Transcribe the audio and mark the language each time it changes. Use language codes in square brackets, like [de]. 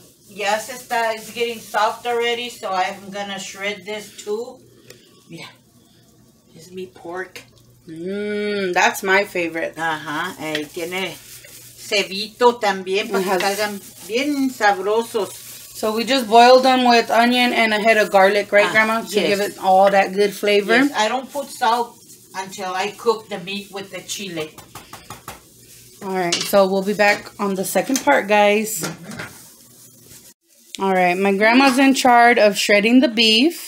[en] Yes, it's getting soft already, so I'm going to shred this too. Yeah. It's mi pork. That's my favorite. [es] Tiene cebito también para que salgan bien sabrosos. [en] So we just boiled them with onion and a head of garlic, right, Grandma? To give it all that good flavor. Yes, I don't put salt until I cook the meat with the chile. All right, so we'll be back on the second part, guys. All right, my grandma's in charge of shredding the beef.